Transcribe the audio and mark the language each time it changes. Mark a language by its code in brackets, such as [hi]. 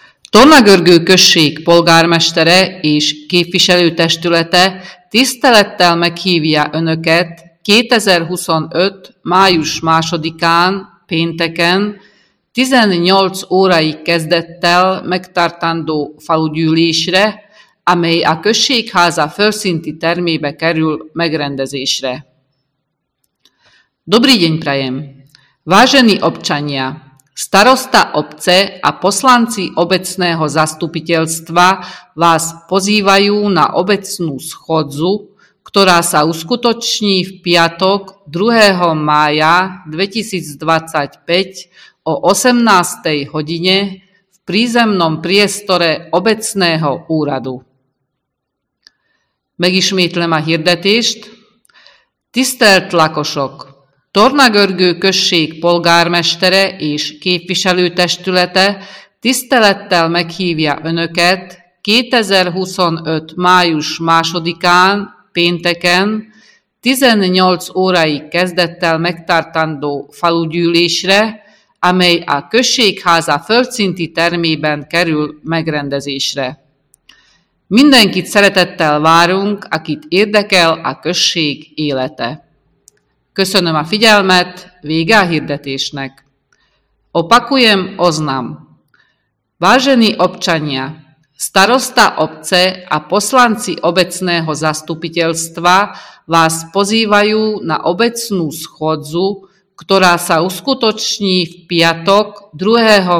[hu] Tornagörgő község polgármestere és képviselőtestülete tisztelettel meghívja Önöket 2025. május 2-án pénteken 18 óráig kezdettel megtartandó falugyűlésre, amely a községháza felszinti termébe kerül megrendezésre. [sk] Dobrý deň prajem! Vážení občania, starosta obce a poslanci obecného zastupiteľstva vás pozývajú na obecnú schôdzu, ktorá sa uskutoční v piatok 2. mája 2025 o 18. hodine v prízemnom priestore obecného úradu. [hu] Megismétlem a hirdetést. Tisztelt lakosok! Tornagörgő község polgármestere és képviselőtestülete tisztelettel meghívja Önöket 2025. május 2-án pénteken 18 óráig kezdettel megtartandó falugyűlésre, amely a községháza földszinti termében kerül megrendezésre. Mindenkit szeretettel várunk, akit érdekel a község élete. Köszönöm a figyelmet, vége a hirdetésnek. [sk] Opakujem, oznam. Vážení občania, starosta obce a poslanci obecného zastupiteľstva vás pozývajú na obecnú schôdzu, ktorá sa uskutoční v piatok 2.